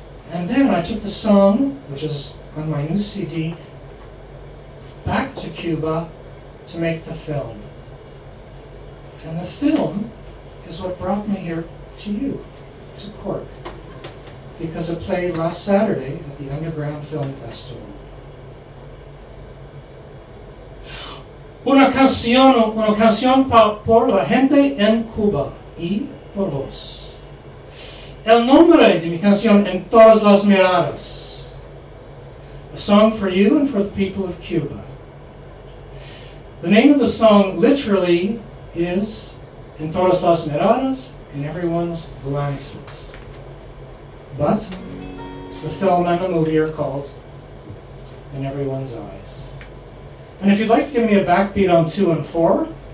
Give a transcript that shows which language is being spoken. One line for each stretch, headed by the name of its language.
English: And then I took the song, which is on my new CD, back to Cuba to make the film. And the film is what brought me here to you, to Cork, because it played last Saturday at the Underground Film Festival.
Spanish: Una canción por la gente en Cuba y por vos. El nombre de mi canción en todas las miradas.
English: A song for you and for the people of Cuba. The name of the song literally is En todas las miradas, in everyone's glances. But the film and the movie are called In Everyone's Eyes. And if you'd like to give me a backbeat on 2 and 4,